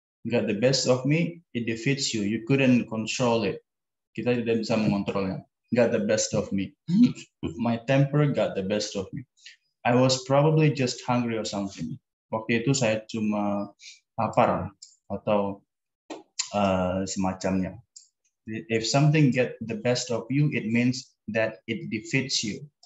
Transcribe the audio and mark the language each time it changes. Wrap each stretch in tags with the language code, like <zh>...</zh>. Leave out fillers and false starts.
<en>Got the best of me, it defeats you. You couldn't control it.</en> <id>Kita tidak bisa mengontrolnya.</id> <en>Got the best of me. My temper got the best of me. I was probably just hungry or something.</en> <id>Waktu itu saya cuma lapar atau semacamnya.</id> <en>If something get the best of you, it means that it defeats you.</en>